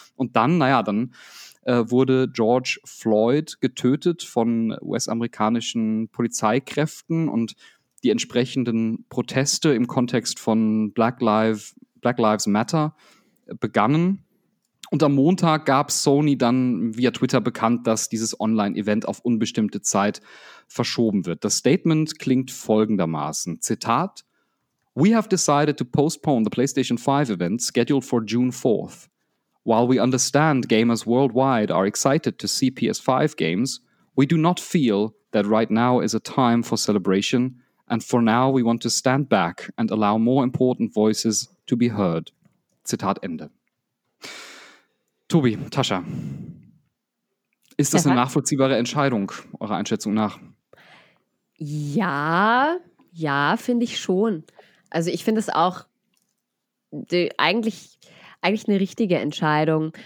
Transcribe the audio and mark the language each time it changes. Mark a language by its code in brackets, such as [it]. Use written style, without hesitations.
[de] Und dann wurde George Floyd getötet von US-amerikanischen Polizeikräften und die entsprechenden Proteste im Kontext von Black Lives Matter begannen. Und am Montag gab Sony dann via Twitter bekannt, dass dieses Online-Event auf unbestimmte Zeit verschoben wird. Das Statement klingt folgendermaßen. [en] Zitat: "We have decided to postpone the PlayStation 5 event scheduled for June 4th. While we understand gamers worldwide are excited to see PS5 games, we do not feel that right now is a time for celebration, and for now we want to stand back and allow more important voices to be heard." [de] Zitat Ende. Tobi, Tascha, ist das eine nachvollziehbare Entscheidung, eurer Einschätzung nach? Ja, finde ich schon. Also ich finde es auch eigentlich eine richtige Entscheidung.